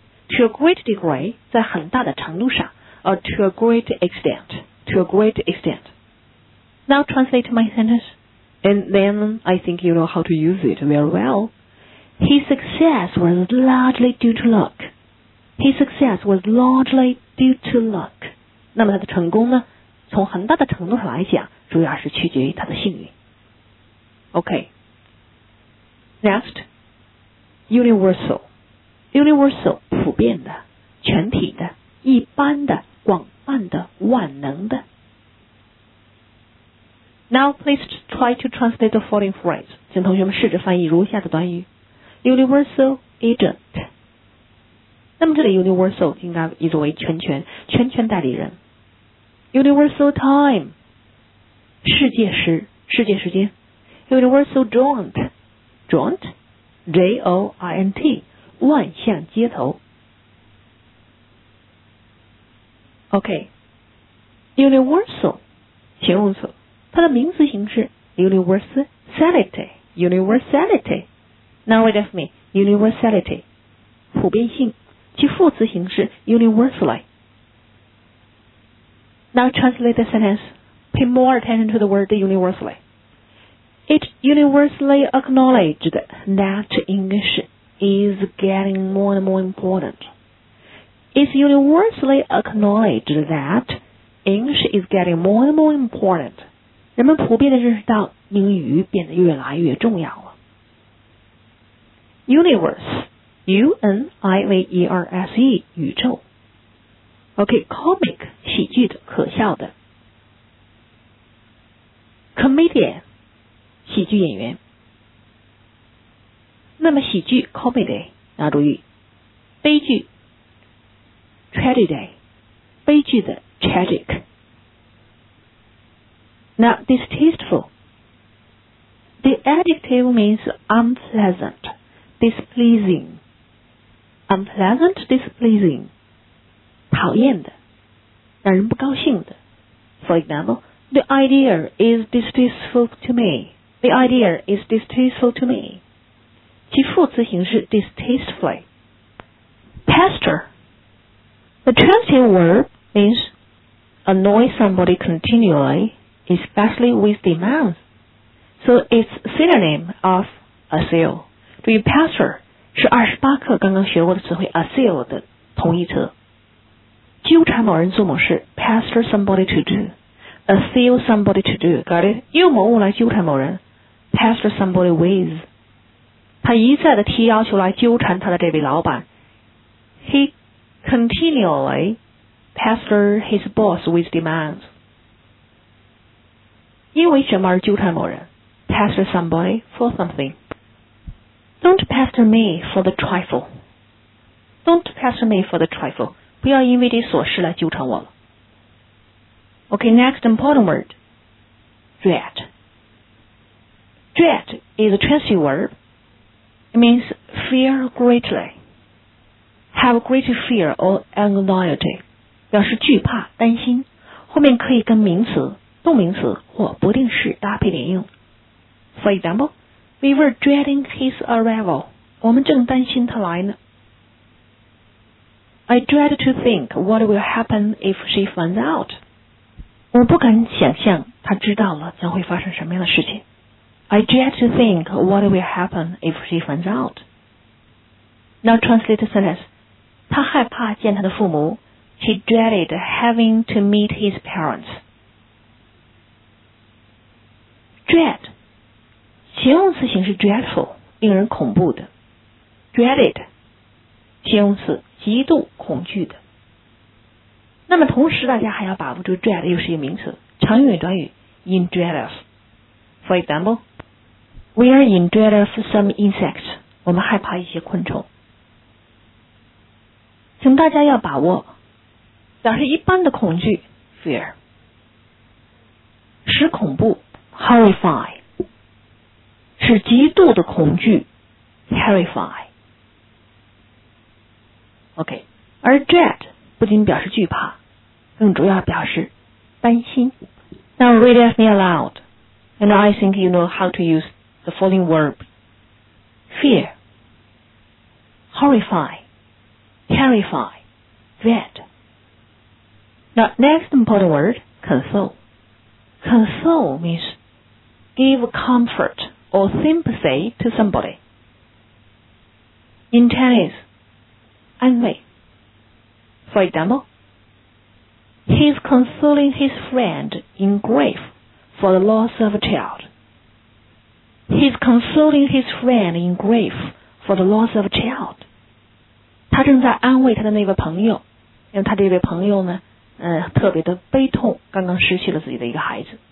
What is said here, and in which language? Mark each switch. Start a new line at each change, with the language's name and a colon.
English: To a great degree,
Chinese: 在很大的程度上
English: or to a great extent, to a great extent. Now translate my sentence. And then I think you know how to use it very well. His success was largely due to luck. His success was largely due to luck.
Chinese: 那么他的成功呢，从很大的程度上来讲，主要是取决于他的幸运。
English: Okay. Next, universal.
Chinese: Universal, 普遍的，全体的，一般的，广泛的，万能的。
English: Now please try to translate the following phrase.
Chinese: 请同学们试着翻译如下的短语。
English: Universal agent.
Chinese: 那么这里 universal 应该译作为全权，全权代理人。 universal time 世界时，世界时间。 universal joint joint J-O-I-N-T 万象接头。 OK universal 形容词，它的名词形式 universality universality
English: now wait with me
Chinese: universality 普遍性，其副词形式 universally。
English: Now translate the sentence. Pay more attention to the word universally. It universally acknowledged that English is getting more and more important. It's universally acknowledged that English is getting more and more important.
Chinese: 人们普遍地认识到英语变得越来越重要了。
English: Universe.
Chinese: U-N-I-V-E-R-S-E 宇宙。 OK comic 喜剧的，可笑的。 comedian 喜剧演员。那么喜剧 comedy 要注意，悲剧 tragedy 悲剧的 tragic。
English: Now distasteful the adjective means unpleasant displeasingUnpleasant, displeasing,
Chinese: 讨厌的，让人不高兴的。
English: For example, the idea is distasteful to me. The idea is distasteful to me.
Chinese: 其副词形式 distastefully.
English: Pester. The translated word means annoy somebody continually, especially with demands. So it's synonym of assail. 注意 pester.
Chinese: 是28课刚刚学过的词汇 assail 的同义词，纠缠某人做某事
English: pester somebody to do assail somebody to do got it
Chinese: 用某物来纠缠某人 pester somebody with 他一再的提要求来纠缠他的这位老板
English: he continually pester his boss with demands
Chinese: 因为什么而纠缠某人
English: pester somebody for somethingDon't pester me for the trifle. Don't pester me for the trifle.
Chinese: 不要因为这琐事来纠缠我了。
English: Okay, next important word. Dread. Dread is a transitive verb. It means fear greatly. Have great fear or anxiety.
Chinese: 表示惧怕、担心。后面可以跟名词、动名词或不定式搭配连用。
English: For example,We were dreading his arrival.
Chinese: 我们正担心他来呢。
English: I dread to think what will happen if she finds out.
Chinese: 我不敢想象他知道了将会发生什么样的事情。
English: I dread to think what will happen if she finds out. Now translate the sentence.
Chinese: 他害怕见他的父母。
English: He dreaded having to meet his parents. Dread.
Chinese: 形容词形式 dreadful 令人恐怖的 dreaded 形容词极度恐惧的。那么同时大家还要把握住 dread 又是一个名词，常用于短语 in dread of.
English: For example, We are in dread of some insects.
Chinese: 我们害怕一些昆虫。请大家要把握表示一般的恐惧 fear 使恐怖 horrify是极度的恐惧 terrify OK 而 dread 不仅表示惧怕，更主要表示担心。
English: Now read at me aloud and I think you know how to use the following word fear horrify terrify dread. Now next important word console. Console means give comfortor sympathy to somebody. In Chinese, 安慰。 For example, he's consoling his friend in grief for the loss of a child. He's consoling his friend in grief for the loss of a child.
Chinese: 他正在安慰他的那位朋友，因为他这位朋友呢，特别的悲痛，刚刚失去了自己的一个孩子。